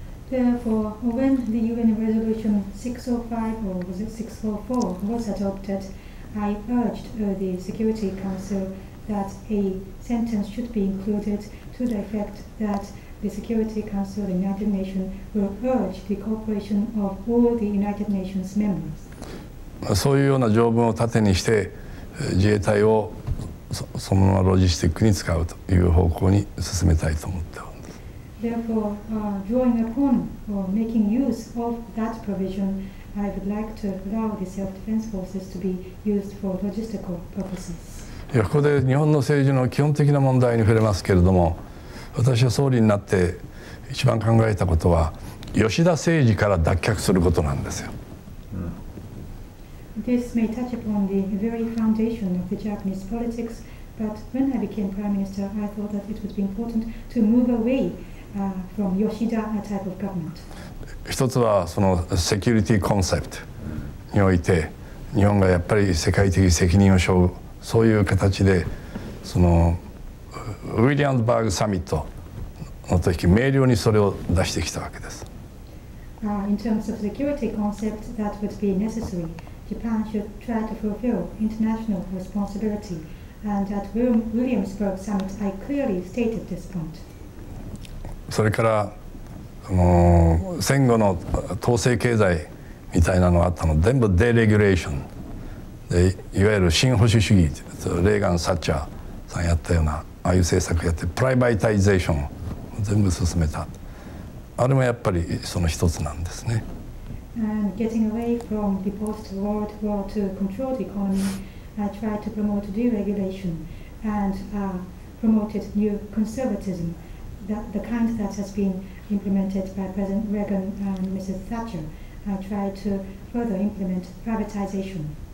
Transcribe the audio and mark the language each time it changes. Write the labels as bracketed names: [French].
[English] Therefore, when the UN Resolution 605 or was it 644 was adopted, I urged the Security Council that aSentence should be included to the effect that the Security Council of the United Nations will urge the cooperation of all the United Nations members. [Japanese] そういうような条文を盾にして自衛隊を そのままロジスティックに使うという方向に進めたいと思っています。 [English] Therefore, drawing upon or making use of that provision, I would like to allow the self-defense forces to be used for logistical purposes. [Japanese] ここで日本の政治の基本的な問題に触れますけれども、私は総理になって一番考えたことは吉田政治から脱却することなんですよ。 [English] This may touch upon the very foundation of the Japanese politics, but when I became Prime Minister, I thought that it would be important to move away from Yoshida type of government. [Japanese] 一つはそのセキュリティコンセプトにおいて、日本がやっぱり世界的責任を背負う、そういう形でそのウィリアムズバーグサミットの時、明瞭にそれを出してきたわけです。 [English] In terms of security concept that would be necessary, Japan should try to fulfill international responsibility. And at Williamsburg summit, I clearly stated this point. [Japanese] それから、戦後の統制経済みたいなのがあったの、全部デレギュレーションで、いわゆる新保守主義、レーガン・サッチャーさんやったような、ああいう政策やって、プライバタイゼーションを全部進めた。あれもやっぱりその一つなんですね。 [English] Getting away from the post-World War II controlled economy, tried to promote deregulation and promoted new conservatism, the kind that has been implemented by President Reagan and Mrs. Thatcher, tried to further implement privatization.